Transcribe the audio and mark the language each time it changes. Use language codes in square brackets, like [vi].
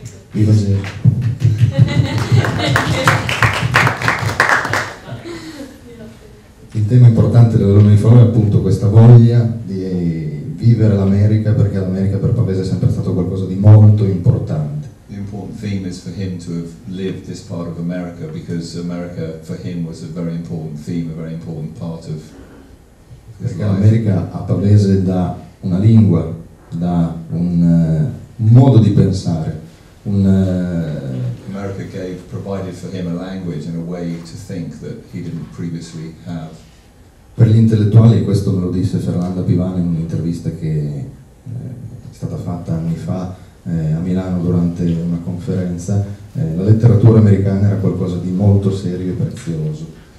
[it] Viva Jason. Il tema importante della donna di Favola è appunto questa voglia di vivere l'America, perché l'America per Pavese è sempre stato qualcosa di molto importante. [en] The important theme is for him to have lived this part of America, because America for him was a very important theme, a very important part of his life. [it] L'America a Pavese dà una lingua, dà un modo di pensare, un [en] America gave, provided for him a language and a way to think that he didn't previously have. [it] Per gli intellettuali, questo me lo disse Fernanda Pivane in un'intervista che è stata fatta anni fa a Milano durante una conferenza, la letteratura americana era qualcosa di molto serio e prezioso.